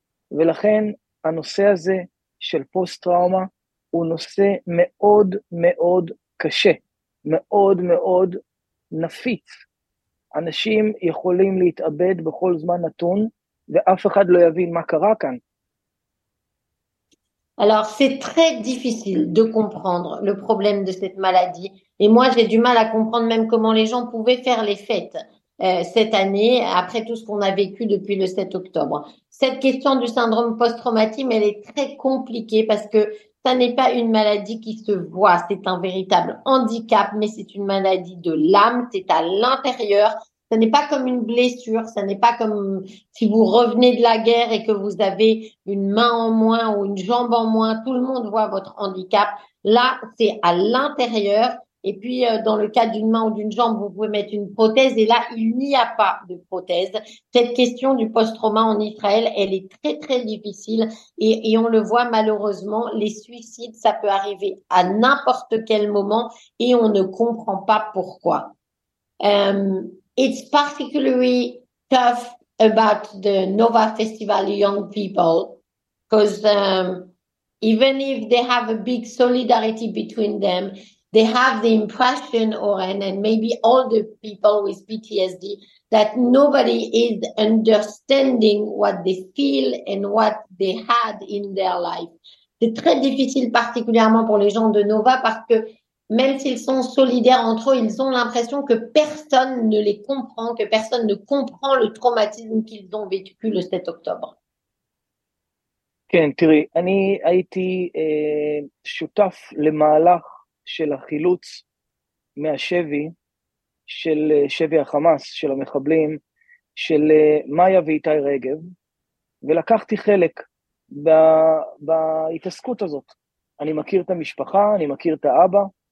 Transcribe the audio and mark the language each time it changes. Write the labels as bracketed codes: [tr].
[he] ולכן הנושא הזה של פוסט-טראומה הוא נושא מאוד מאוד קשה, מאוד מאוד נפיץ. אנשים יכולים להתאבד בכל זמן נתון, ואף אחד לא יבין מה קרה כאן. [fr] Alors, c'est très difficile de comprendre le problème de cette maladie. Et moi, j'ai du mal à comprendre même comment les gens pouvaient faire les fêtes cette année, après tout ce qu'on a vécu depuis le 7 octobre. Cette question du syndrome post-traumatique, elle est très compliquée parce que ça n'est pas une maladie qui se voit. C'est un véritable handicap, mais c'est une maladie de l'âme. C'est à l'intérieur. Ça n'est pas comme une blessure, ça n'est pas comme si vous revenez de la guerre et que vous avez une main en moins ou une jambe en moins, tout le monde voit votre handicap. Là, c'est à l'intérieur. Et puis, dans le cas d'une main ou d'une jambe, vous pouvez mettre une prothèse et là, il n'y a pas de prothèse. Cette question du post-trauma en Israël, elle est très, très difficile et on le voit malheureusement, les suicides, ça peut arriver à n'importe quel moment et on ne comprend pas pourquoi. [en] It's particularly tough about the Nova Festival young people because even if they have a big solidarity between them, they have the impression, Oren, and maybe all the people with PTSD, that nobody is understanding what they feel and what they had in their life. [fr] C'est très difficile, particulièrement pour les gens de Nova, parce que même s'ils sont solidaires entre eux, ils ont l'impression que personne ne les comprend, que personne ne comprend le traumatisme qu'ils ont vécu le 7 octobre. [he] כן, תראי, אני הייתי שותף למהלך של החילוץ מהשבי, של שבי החמאס, של המחבלים, של מאיה ואיתי רגב, ולקחתי חלק בהתעסקות הזאת. אני מכיר את המשפחה, אני מכיר את האבא,